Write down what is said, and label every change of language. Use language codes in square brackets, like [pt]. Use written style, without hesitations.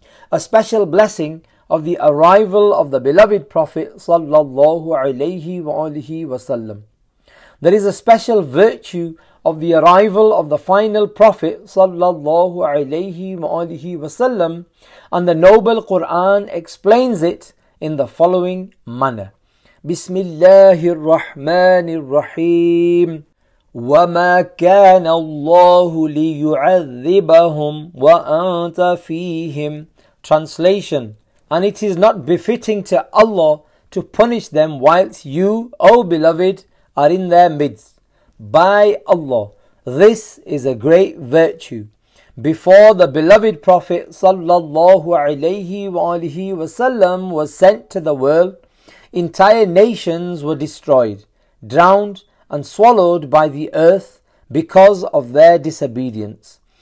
[en] A special blessing of the arrival of the beloved Prophet sallallahu alayhi wa alihi wa sallam. There is a special virtue of the arrival of the final Prophet sallallahu alayhi wa alihi wa sallam, and the noble Quran explains it in the following manner. [ar] بسم الله الرحمن الرحيم وما كان الله ليعذبهم وأنت فيهم. [en] Translation. And it is not befitting to Allah to punish them whilst you, O beloved, are in their midst. By Allah, this is a great virtue. Before the beloved Prophet sallallahu alayhi wa alihi wa sallam was sent to the world, entire nations were destroyed, drowned and swallowed by the earth because of their disobedience.